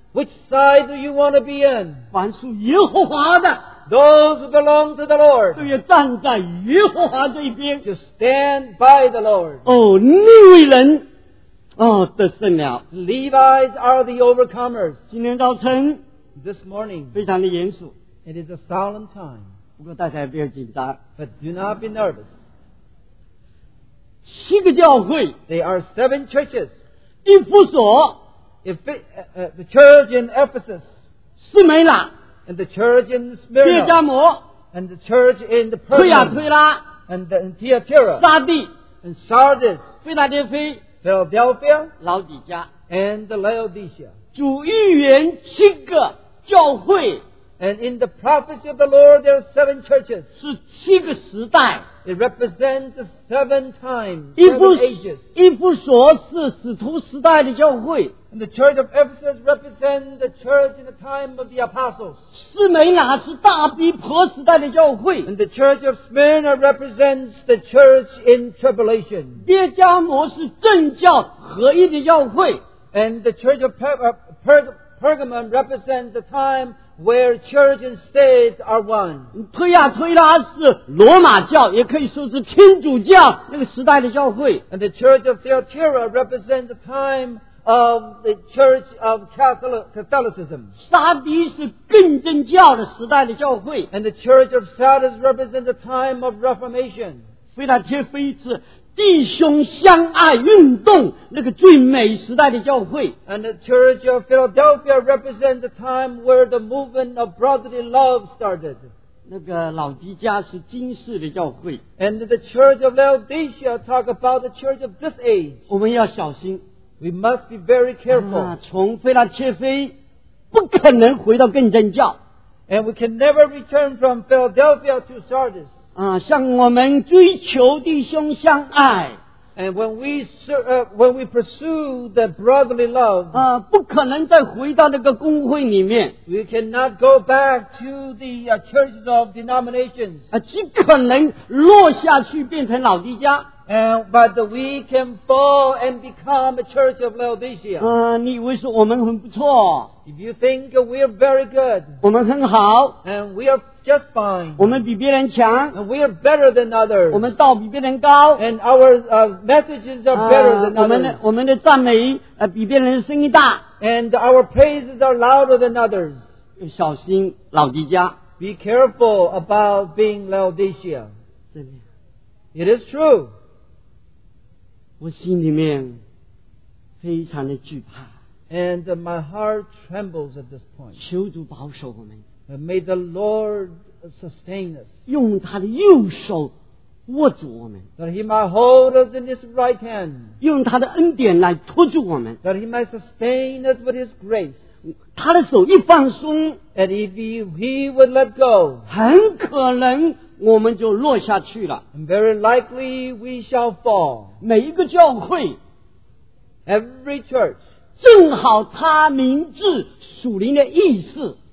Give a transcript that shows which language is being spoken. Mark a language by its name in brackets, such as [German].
[English] Which side do you want to be in? [Chinese] 凡属耶和华的。 [English] Those who belong to the Lord. [Chinese] 都要站在耶和华这一边。 [English] To stand by the Lord. [Chinese] 逆位人得胜了。 [English] Levites are the overcomers. [Chinese] 今天早晨。 [English] This morning. [Chinese] 非常的严肃。 [English] It is a solemn time. [Chinese] 不过大家不要紧张。 [English] But do not be nervous. [Chinese] 七个教会。 [English] They are seven churches. [Chinese] 一夫所。 [English] The church in Ephesus, [Chinese] 斯梅拉, [English] and the church in Smyrna, [Chinese] 列加摩, [English] and the church in the Pergamum, [Chinese] 推亚推拉, [English] and in Thyatira, [Chinese] 撒地, [English] and Sardis, [Chinese] 菲拉迪菲, [English] Philadelphia, [Chinese] 老底家, [English] and the Laodicea. [Chinese] 主预言七个教会, [English] and in the prophecy of the Lord, there are seven churches, [Chinese] 是七个时代, [English] it represents seven times, seven ages. [Chinese] 一夫所是使徒时代的教会。 [English] And the church of Ephesus represents the church in the time of the apostles. [Chinese] 斯梅拉是大逼迫时代的教会。 [English] And the church of Smyrna represents the church in tribulation. [Chinese] 列加摩是政教合一的教会。 [English] And the church of Pergamum represents the time where church and state are one. [Chinese] 推亚推拉是罗马教，也可以说是天主教那个时代的教会。 [English] And the church of Thyatira represents the timeOf the Church of Catholicism. [Chinese] 撒迪是更正教的时代的教会。 [English] And the Church of Sardis represents the time of Reformation. [Chinese] 菲拉铁菲是弟兄相爱运动那个最美时代的教会。 [English] And the Church of Philadelphia represents the time where the movement of brotherly love started. [Chinese] 那个老迪家是今世的教会。 [English] And the Church of Laodicea talk about the Church of this age. [Chinese] 我们要小心。 [English] We must be very careful. [Chinese] 从菲拉切菲不可能回到更正教。 [English] And we can never return from Philadelphia to Sardis. [Chinese] 向我们追求弟兄相爱。 [English] And when we serve, when we pursue the brotherly love, [Chinese] 不可能再回到那个公会里面。 [English] We cannot go back to the churches of denominations. [Chinese] 只可能落下去变成老底家。 [English] But we can fall and become a church of Laodicea. [Chinese] 你以为说我们很不错。 [English] If you think we are very good, [Chinese] 我们很好。 [English] And we are just fine. [Chinese] 我们比别人强。 [English] And we are better than others. [Chinese] 我们道比别人高。 [English] And our messages are better than others. [Chinese] 我们的赞美比别人声音大。 [English] And our praises are louder than others. [Chinese] 小心老底家。 [English] Be careful about being Laodicea. It is true. [Chinese] 我心里面非常的惧怕。 [English] And my heart trembles at this point. [Chinese] 求主保守我们。 [English] And may the Lord sustain us. [Chinese] 用他的右手握住我们。 [English] That he might hold us in his right hand. [Chinese] 用他的恩典来托住我们。 [English] That he might sustain us with his grace. [Chinese] 他的手一放松。 [English] And if he would let go. [Chinese] 很可能我们就落下去了。 [English] And very likely we shall fall. [Chinese] 每一个教会 [English] ,every church, [Chinese] 正好他名字属灵的意思